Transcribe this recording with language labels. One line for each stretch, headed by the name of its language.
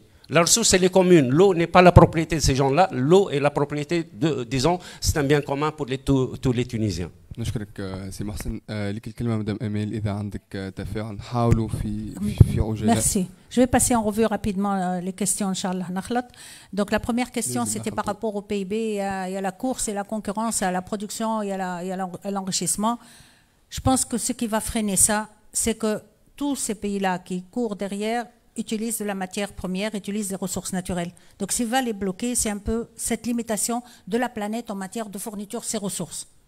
French: La ressource, c'est les communes. L'eau n'est pas la propriété de ces gens-là. L'eau est la propriété de, disons, c'est un bien commun pour tous les Tunisiens.
Arabic: نشكرك سي محسن لك الكلمه مدام اميل اذا عندك تفاعل حاولوا في عجاله
French: merci je vais passer en revue rapidement les questions inchallah nakhlat donc la première question c'était par rapport au PIB il y a la course et la concurrence à la production il y a l'enrichissement je pense que ce qui va freiner ça c'est que tous ces pays là qui courent derrière utilisent de la matière première utilisent des ressources naturelles donc ce qui va les bloquer c'est un peu cette limitation de la planète en matière de fourniture ces ressources.